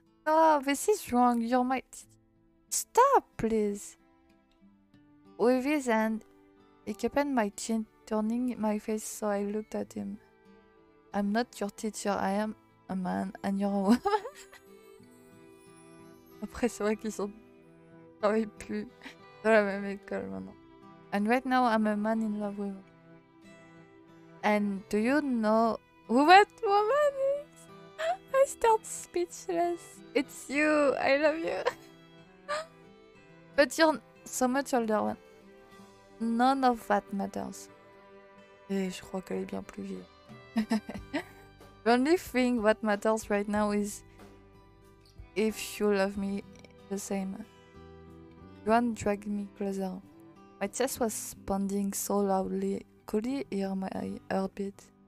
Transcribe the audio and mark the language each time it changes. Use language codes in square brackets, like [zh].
[en] Oh, this is wrong. You're my... Stop, please. With his hand, he kept my chin, turning my face so I looked at him. I'm not your teacher. I am a man and you're a woman. [fr] Après, c'est vrai qu'ils ont travaillé plus dans la même école maintenant. [en] And right now, I'm a man in love with you. And do you know who that woman is? I start speechless. It's you. I love you. But you're so much older. None of that matters. [fr] Et je crois qu'elle est bien plus vieille. [en] The only thing that matters right now is if you love me the same. Juan dragged me closer. My chest was pounding so loudly. Could you hear my heartbeat?